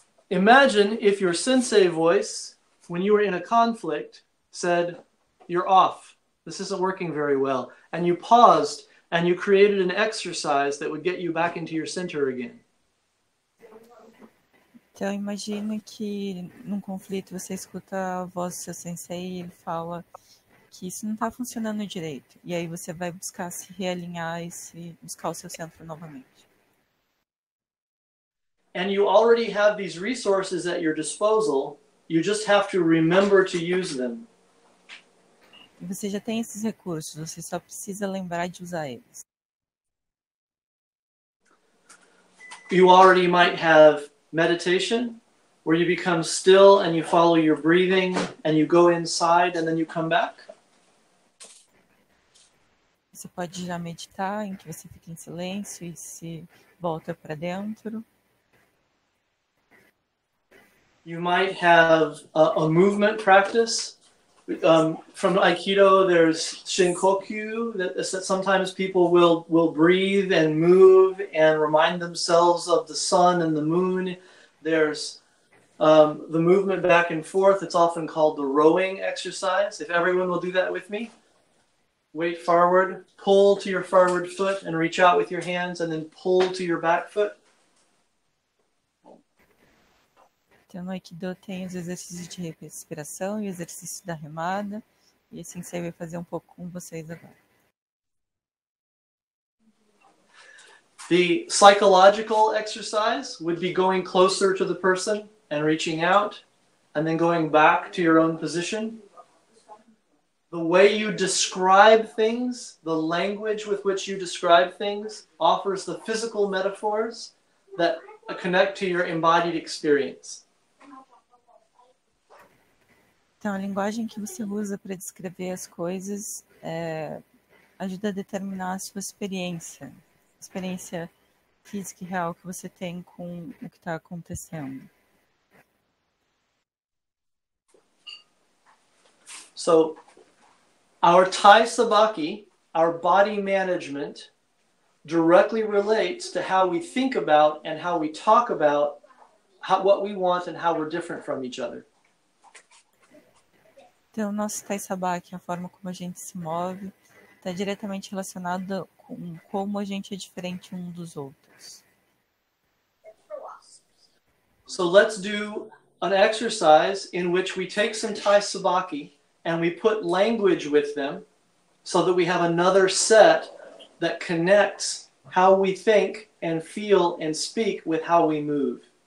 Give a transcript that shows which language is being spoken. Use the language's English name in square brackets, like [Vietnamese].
[English] Imagine if your sensei voice, when you were in a conflict, said, "You're off. This isn't working very well." And you paused and you created an exercise that would get you back into your center again. [Portuguese] Então imagina que num conflito você escuta a voz do seu sensei e ele fala que isso não está funcionando direito. E aí você vai buscar se realinhar e se buscar o seu centro novamente. [English] And you already have these resources at your disposal. You just have to remember to use them. [Portuguese] Você já tem esses recursos. Você só precisa lembrar de usar eles. [English] You already might have meditation, where you become still and you follow your breathing and you go inside and then you come back. [Portuguese] Você pode já meditar em que você fica em silêncio e se volta para dentro. [English] You might have a movement practice. From Aikido, there's shinkoku that sometimes people will breathe and move and remind themselves of the sun and the moon. There's the movement back and forth. It's often called the rowing exercise. If everyone will do that with me, weight forward, pull to your forward foot and reach out with your hands and then pull to your back foot. [Portuguese] Então, no Aikido tem os exercícios de respiração e o exercício da remada. E assim você vai fazer um pouco com vocês agora. [English] The psychological exercise would be going closer to the person and reaching out and then going back to your own position. The way you describe things, the language with which you describe things, offers the physical metaphors that connect to your embodied experience. [Portuguese] Então, a linguagem que você usa para descrever as coisas ajuda a determinar a sua experiência física e real que você tem com o que está acontecendo. [English] So, our Tai Sabaki, our body management, directly relates to how we think about and how we talk about what we want and how we're different from each other. [Portuguese] Então, o nosso Tai Sabaki, a forma como a gente se move, está diretamente relacionado com como a gente é diferente um dos outros. [English] So let's do an exercise in which we take some Tai Sabaki and we put language with them so that we have another set that connects how we think and feel and speak with how we move.